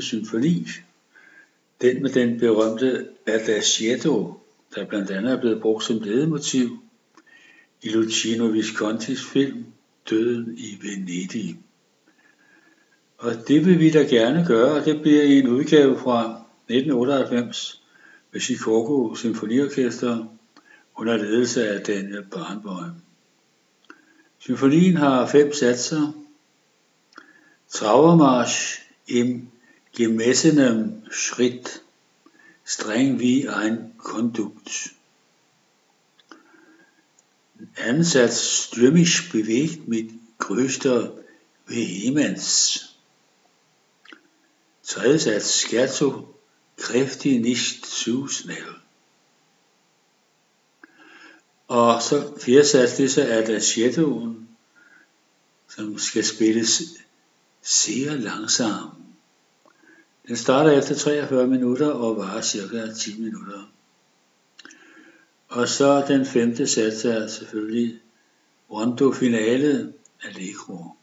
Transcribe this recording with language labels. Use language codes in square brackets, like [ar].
[da] symfoni, den med den berømte Adagietto, der blandt andet er blevet brugt som ledemotiv i Luchino Viscontis film Døden i Venedig. Og det vil vi da gerne gøre, og det bliver i en udgave fra 1998 med Chicago Symfoniorkester under ledelse af Daniel Barenboim. Symfonien har 5 satser. [de] Trauermarsch im gemessenem Schritt, streng wie ein Kondukt. [da] Anden sats [de] stürmisch bewegt mit größter Vehemenz. [da] Tredje sats [de] scherzo kräftig nicht zu schnell. [da] Og så fjerde sats, det så er Adagiettoen, som skal spilles [de] sehr langsam. [da] Den starter efter 43 minutter og varer cirka 10 minutter. Og så den femte sats er selvfølgelig Rondo Finale Allegro.